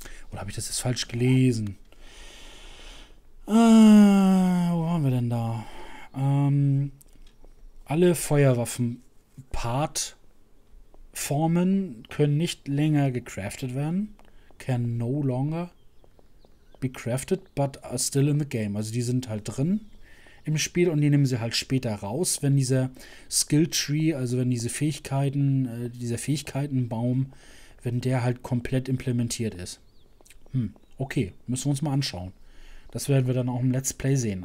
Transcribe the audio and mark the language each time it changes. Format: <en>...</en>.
<de>Oder habe ich das jetzt falsch gelesen? Wo waren wir denn da? Alle Feuerwaffen-Part-Formen können nicht länger gecraftet werden.</de> <en>Can no longer be crafted, but are still in the game.</en> <de>Also die sind halt drin im Spiel und die nehmen sie halt später raus, wenn dieser Skill Tree, also wenn diese Fähigkeiten, dieser Fähigkeitenbaum, wenn der halt komplett implementiert ist. Okay, müssen wir uns mal anschauen. Das werden wir dann auch im Let's Play sehen.</de>